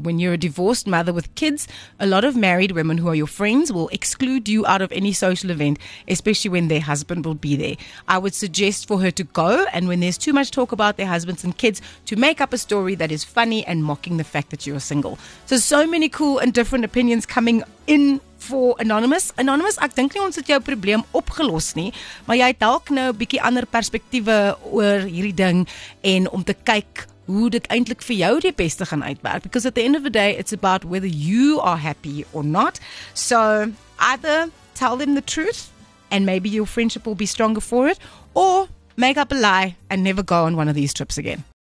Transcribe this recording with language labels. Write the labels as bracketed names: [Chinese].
[English] When you're a divorced mother with kids, a lot of married women who are your friends will exclude you out of any social event, especially when their husband will be there. I would suggest for her to go, and when there's too much talk about their husbands and kids, to make up a story that is funny and mocking the fact that you're single. So many cool and different opinions coming in for Anonymous. [Afrikaans] Anonymous, ek dink nie ons het jou probleem opgelos nie, maar jy het dalk nou 'n bietjie ander perspektiewe oor hierdie ding en om te kyk hoe dit eintlik vir jou die beste gaan uitwerk, [English] because at the end of the day it's about whether you are happy or not. So either tell them the truth and maybe your friendship will be stronger for it, or make up a lie and never go on one of these trips again.